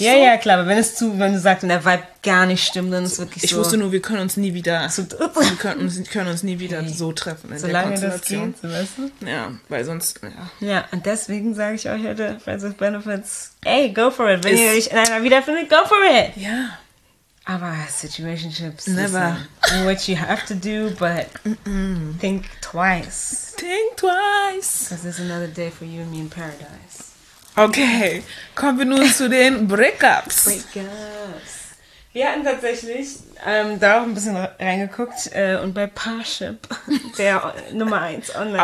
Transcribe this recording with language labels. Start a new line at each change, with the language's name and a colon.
German: Ja, so. Ja, klar, aber wenn du sagst, und der Vibe gar nicht stimmt, dann ist es wirklich ich so... Ich wusste nur, wir können uns nie wieder... so treffen in solange der Konstellation. Solange das geht, weißt du? Ja, weil sonst... Ja, ja, und deswegen sage ich euch heute, Friends with Benefits, ey,
English: go for it.
German: Wenn ihr euch in einer wiederfindet,
English: go for it.
German: Ja. Aber Situationships
English: never. Listen, what you have to do, but think twice. Think twice. Because there's another day for you and me in paradise.
German: Okay, kommen wir nun zu den Breakups. Breakups. Wir hatten tatsächlich da auch ein bisschen reingeguckt und bei Parship, der Nummer 1 Online-Dating.